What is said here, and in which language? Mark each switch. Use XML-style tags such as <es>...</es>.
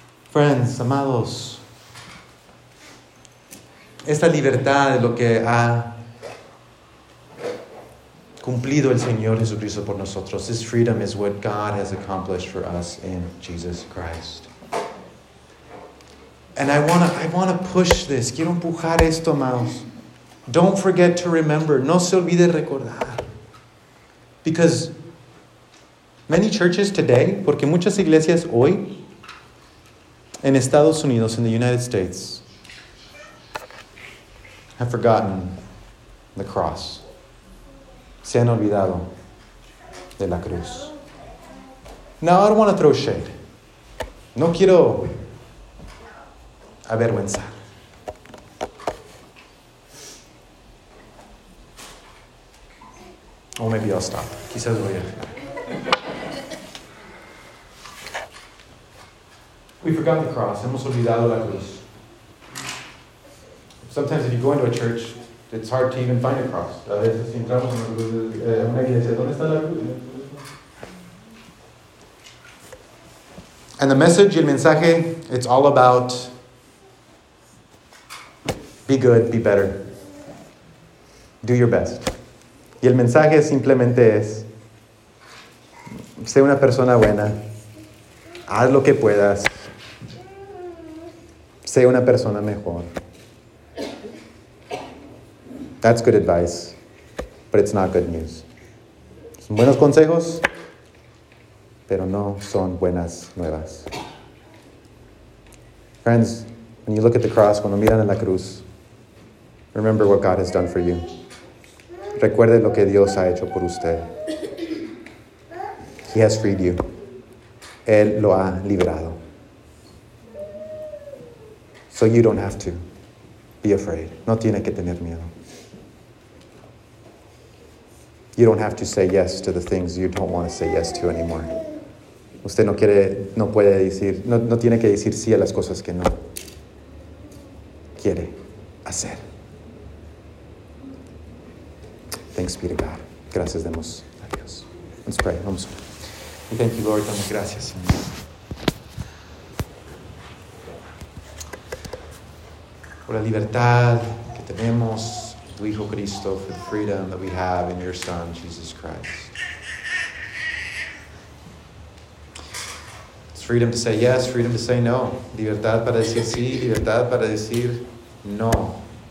<es>Friends, amados, esta libertad es lo que ha cumplido el Señor Jesucristo por nosotros.</es> <en>This freedom is what God has accomplished for us in Jesus Christ. And I wanna push this.</en> <es>Quiero empujar esto, amados.</es> <en>Don't forget to remember.</en> <es>No se olvide recordar.</es> <en>Because many churches today,</en> <es>porque muchas iglesias hoy, en Estados Unidos,</es> <en>in the United States, have forgotten the cross.</en> <es>Se han olvidado de la cruz.</es> <en>Now, I don't want to throw shade.</en> <es>No quiero avergüenzar.</es> <en>Or maybe I'll stop.</en> <es>Quizás voy a...</es> <en>We forgot the cross.</en> <es>Hemos olvidado la cruz.</es> <en>Sometimes if you go into a church, it's hard to even find a cross.</en> <es>A veces si entramos en una iglesia, ¿dónde está la cruz?</es> <en>And the message,</en> <es>el mensaje,</es> <en>it's all about Be good, be better. Do your best.</en> <es>Y el mensaje simplemente es, sé una persona buena, haz lo que puedas, sé una persona mejor.</es> <en>That's good advice, but it's not good news.</en> <es>Son buenos consejos, pero no son buenas nuevas.</es> <en>Friends, when you look at the cross,</en> <es>cuando miran a la cruz,</es> <en>remember what God has done for you.</en> <es>Recuerde lo que Dios ha hecho por usted.</es> <en>He has freed you.</en> <es>Él lo ha liberado.</es> <en>So you don't have to be afraid.</en> <es>No tiene que tener miedo.</es> <en>You don't have to say yes to the things you don't want to say yes to anymore.</en> <es>Usted no quiere, no puede decir, no tiene que decir sí a las cosas que no quiere hacer.</es> <en>Thanks be to God.</en> <es>Gracias demos a Dios.</es> <en>Let's pray.</en> <es>Vamos.</es> <en>Thank you, Lord.</en> <es>Damos gracias. Por la libertad que tenemos en tu Hijo Cristo,</es> <en>for the freedom that we have in your Son, Jesus Christ. It's freedom to say yes, freedom to say no.</en> <es>Libertad para decir sí, libertad para decir no.</es>